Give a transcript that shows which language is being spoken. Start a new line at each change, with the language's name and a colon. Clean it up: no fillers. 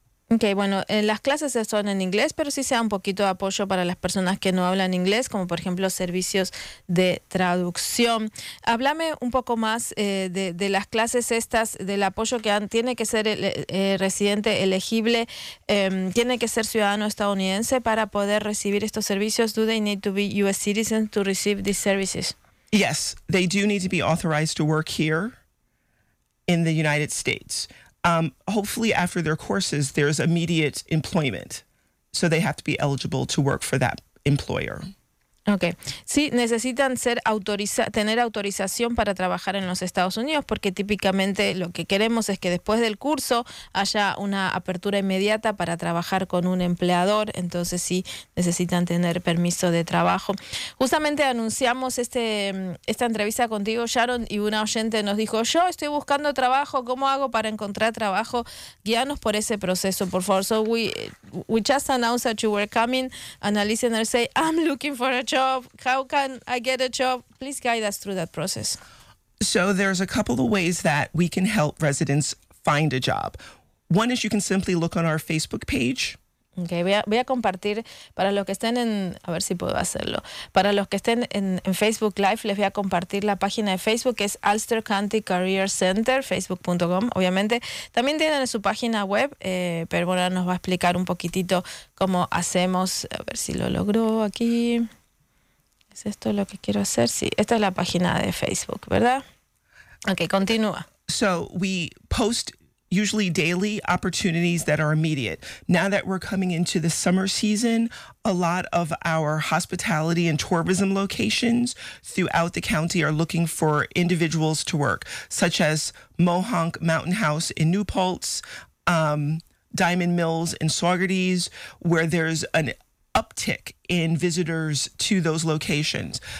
Spanish: Okay, bueno, las clases son en inglés, pero sí se da un poquito de apoyo para las personas que no hablan inglés, como por ejemplo servicios de traducción. Háblame un poco más de las clases estas, del apoyo que dan. ¿Tiene que ser residente elegible? ¿Tiene que ser ciudadano estadounidense para poder recibir estos servicios?
English: ¿Do they need to be U.S. citizens to receive these services? Yes, they do need to be authorized to work here in the United States. Hopefully after their courses, there's immediate employment. So they have to be eligible to work for that employer. Okay.
Spanish: Sí, necesitan tener autorización para trabajar en los Estados Unidos, porque típicamente lo que queremos es que después del curso haya una apertura inmediata para trabajar con un empleador. Entonces sí, necesitan tener permiso de trabajo. Justamente anunciamos esta entrevista contigo, Sharon, y una oyente nos dijo: yo estoy buscando trabajo, ¿cómo hago para encontrar trabajo? Guíanos por ese proceso, por favor.
English: So we just announced that you were coming, and a listener say, I'm looking for a job. How can I get a job? Please guide us through that process. So there's a couple of ways that we can help residents find a job. One is you can simply look on our Facebook page.
Spanish: Okay, voy a compartir para los que estén en, a ver si puedo hacerlo. Para los que estén en Facebook Live, les voy a compartir la página de Facebook, que es Ulster County Career Center, facebook.com, obviamente. También tienen su página web, pero bueno, nos va a explicar un poquitito cómo hacemos, a ver si lo logro aquí. ¿Es esto lo que quiero hacer? Sí, esta es la página de Facebook, ¿verdad? Okay, continúa.
English: So, we post usually daily opportunities that are immediate. Now that we're coming into the summer season, a lot of our hospitality and tourism locations throughout the county are looking for individuals to work, such as Mohonk Mountain House in New Paltz, Diamond Mills in Saugerties, where there's an uptick in visitors to those locations.